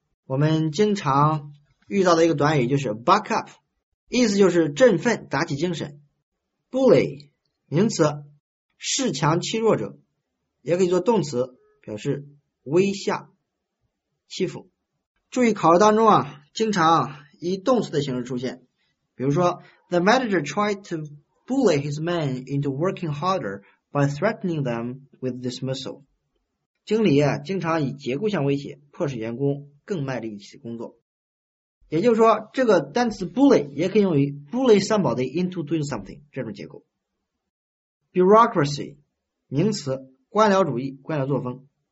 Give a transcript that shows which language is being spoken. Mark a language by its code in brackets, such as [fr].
[zh] 我们经常遇到的一个短语就是 buck up, 意思就是振奋打起精神。 bully, 名词恃强欺弱者也可以做动词表示威吓欺负。注意考试当中啊经常以动词的形式出现。比如说 [en] ,the manager tried to bully his men into working harder by threatening them with dismissal. [zh] 经理啊经常以结构性威胁迫使员工更卖力一起工作。也就是说这个单词 bully 也可以用于 [en] bully somebody into doing something, [zh] 这种结构。 bureaucracy, 名词官僚主义官僚作风。